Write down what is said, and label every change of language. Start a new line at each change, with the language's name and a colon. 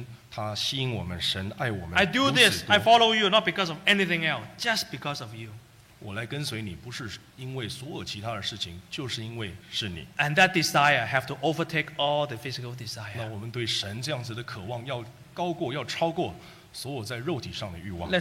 Chinese: 是我们要能够去真心的体验到神，他吸引我们，神爱我们。
English: I do this, I follow you, not because of anything else, just because of you.
Chinese: 我来跟随你，不是因为所有其他的事情，就是因为是你。
English: And that desire have to overtake all the physical desire.
Chinese: 那我们对神这样子的渴望，要高过，要超过所有在肉体上的欲望。
English: Let's